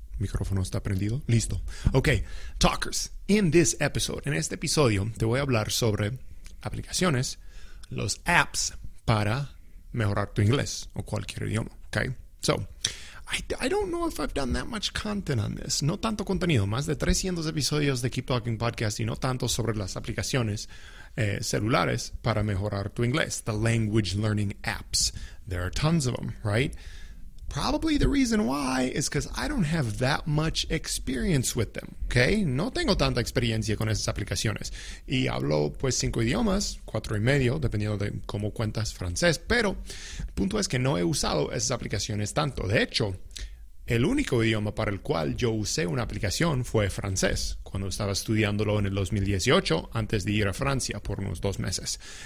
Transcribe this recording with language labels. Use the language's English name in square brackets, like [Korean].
[Spanish] Micrófono está prendido. Listo. Okay. Talkers, [English] in this episode, [Spanish] en este episodio, te voy a hablar sobre aplicaciones, los apps para mejorar tu inglés o cualquier idioma. Okay. [English] So, I don't know if I've done that much content on this. [Spanish] No tanto contenido. Más de 300 episodios de Keep Talking Podcast y no tanto sobre las aplicaciones celulares para mejorar tu inglés. [English] The language learning apps. There are tons of them, right? Probably the reason why is because I don't have that much experience with them, okay? [Spanish] No tengo tanta experiencia con esas aplicaciones. Y hablo, pues, 5 idiomas, 4 y medio, dependiendo de cómo cuentas francés. Pero el punto es que no he usado esas aplicaciones tanto. De hecho, el único idioma para el cual yo usé una aplicación fue francés, cuando estaba estudiándolo en el 2018, antes de ir a Francia por unos 2 meses.